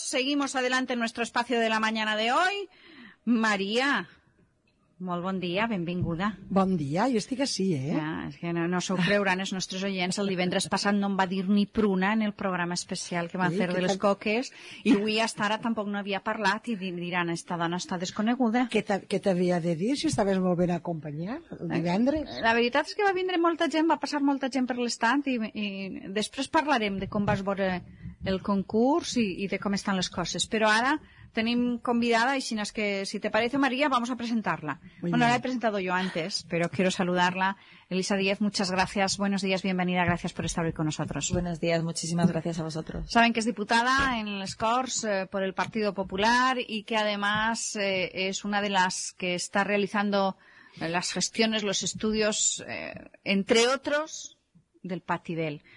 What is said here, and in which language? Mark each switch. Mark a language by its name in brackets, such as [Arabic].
[Spanish] Seguimos adelante en nuestro espacio de la mañana de hoy. [Catalan] María. Molt bon dia, benvinguda. Bon dia, jo estic així, eh? Ja, és que no s'ho creuran els nostres oients. El divendres passat no em va dir ni pruna en el programa especial que van fer de les coques. I avui, hasta ara, tampoc no havia parlat i diran, esta dona està desconeguda. Què t'havia de dir si estaves molt ben acompanyat el divendres? La veritat és que va vindre molta gent, va passar molta gent per l'estat i després parlarem de com vas veure el concurs i de com estan les coses. Però ara... Tenim convidada [Spanish] y sin es que si te parece María vamos a presentarla. Muy bueno, bien. La he presentado yo antes, pero quiero saludarla. Elisa Díez, muchas gracias. Buenos días, bienvenida. Gracias por estar hoy con nosotros. Buenos días, muchísimas gracias a vosotros. Saben que es diputada en las Corts por el Partido Popular y que además es una de las que está realizando las gestiones, los estudios, entre otros... del Patidel.